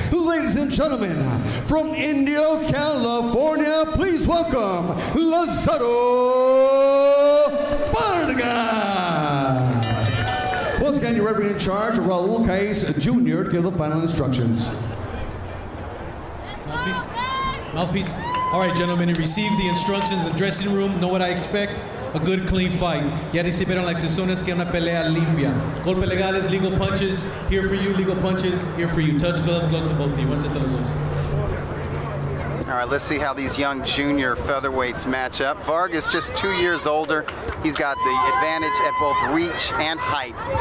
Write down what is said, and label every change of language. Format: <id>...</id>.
<en>Ladies and gentlemen, from Indio, California, please welcome Lazaro Vargas. Once again, your referee in charge, Raul Caes Jr., to give the final instructions. Mouthpiece. All right, gentlemen, you received the instructions in the dressing room. Know what I expect? A good, clean fight.</en> <es>Ya recibieron las instrucciones que una pelea limpia. Golpes legales,</es> <en>legal punches, here for you, legal punches, here for you. Touch gloves, glove to both of you. Once it does. All right, let's see how these young junior featherweights match up. Vargas, just 2 years older. He's got the advantage at both reach and height.</en>